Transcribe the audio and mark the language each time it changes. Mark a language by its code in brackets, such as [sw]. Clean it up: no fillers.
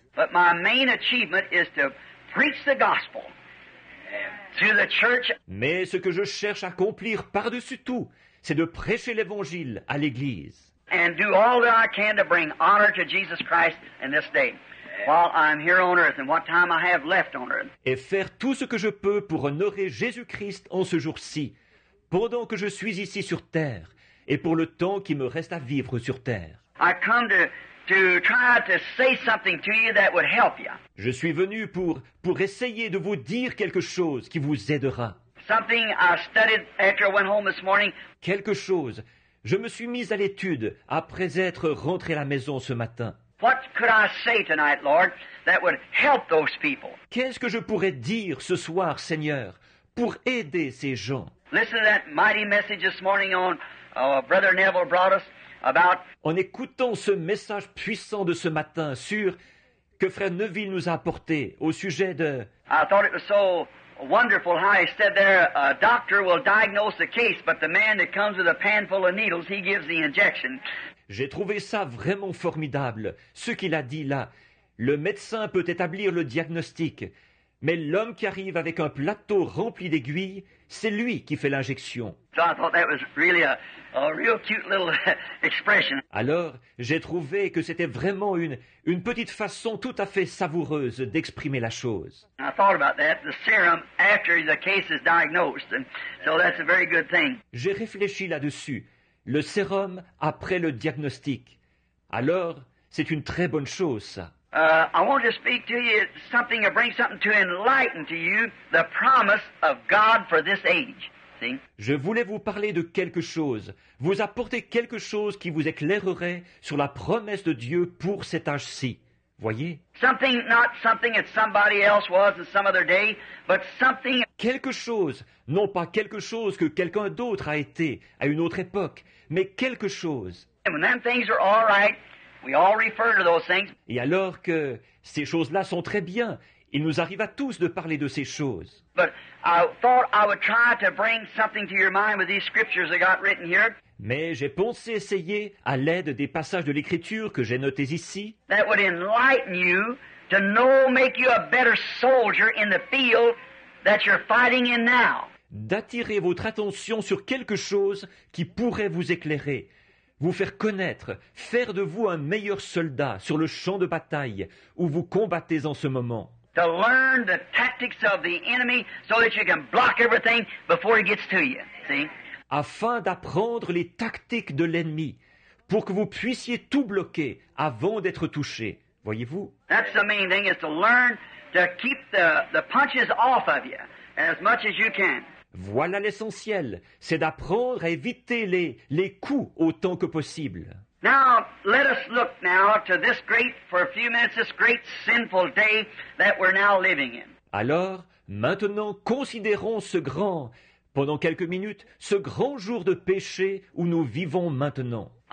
[en] But my main achievement is to preach the gospel. To the church. [fr] Mais ce que je cherche à accomplir par-dessus tout, c'est de prêcher l'Évangile à l'Église. [en] And do all that I can to bring honor to Jesus Christ in this day, while I'm here on earth and what time I have left on earth. [fr] Et faire tout ce que je peux pour honorer Jésus-Christ en ce jour-ci, pendant que je suis ici sur terre, et pour le temps qui me reste à vivre sur terre. [en] I come to try to say something to you that would help you. [fr] Je suis venu pour essayer de vous dire quelque chose qui vous aidera. [en] Something I studied after I went home this morning. [fr] Quelque chose. Je me suis mis à l'étude après être rentré à la maison ce matin. [en] What could I say tonight, Lord, that would help those people? [fr] Qu'est-ce que je pourrais dire ce soir, Seigneur, pour aider ces gens? [en] Listen to that mighty message this morning on Brother Neville brought us. [fr] En écoutant ce message puissant de ce matin sur que Frère Neville nous a apporté au sujet de... [en] I thought it was so wonderful how he said there, a doctor will diagnose the case, but the man that comes with a pan full of needles, he gives the injection. [fr] J'ai trouvé ça vraiment formidable, ce qu'il a dit là. Le médecin peut établir le diagnostic, Mais l'homme qui arrive avec un plateau rempli d'aiguilles, c'est lui qui fait l'injection. [en] So I thought that was really a real cute little expression. [fr] Alors, j'ai trouvé que c'était vraiment une petite façon tout à fait savoureuse d'exprimer la chose. [en] I thought about that, the serum after the case is diagnosed. And so that's a very good thing. [fr] J'ai réfléchi là-dessus. Le sérum après le diagnostic. Alors, c'est une très bonne chose, ça. [en] I want to speak to you something to bring something to enlighten to you the promise of God for this age. [fr] Je voulais vous parler de quelque chose, vous apporter quelque chose qui vous éclairerait sur la promesse de Dieu pour cet âge-ci. Voyez? [en] Something, not something that somebody else was in some other day, but something... [fr] Quelque chose, non pas quelque chose que quelqu'un d'autre a été à une autre époque, mais quelque chose. [en] And when them things are all right, we all refer to those things. [fr] Et alors que ces choses-là sont très bien, il nous arrive à tous de parler de ces choses. [en] But I thought I would try to bring something to your mind with these scriptures I got written here. [fr] Mais j'ai pensé essayer, à l'aide des passages de l'Écriture que j'ai notés ici, [en] that would enlighten you to know, make you a better soldier in the field that you're fighting in now. [fr] D'attirer votre attention sur quelque chose qui pourrait vous éclairer, vous faire connaître, faire de vous un meilleur soldat sur le champ de bataille où vous combattez en ce moment. [en] To learn the tactics of the enemy so that you can block everything before it gets to you. See? [fr] Afin d'apprendre les tactiques de l'ennemi, pour que vous puissiez tout bloquer avant d'être touché. Voyez-vous? [en] That's the main thing, is to learn to keep the punches off of you as much as you can. [fr] Voilà l'essentiel, c'est d'apprendre à éviter les coups autant que possible. [en] Now, let us look now to this great, for a few minutes, this great sinful day that we're now living in. [fr] Alors, maintenant, considérons ce grand... Pendant quelques minutes, ce grand jour de péché où nous vivons maintenant.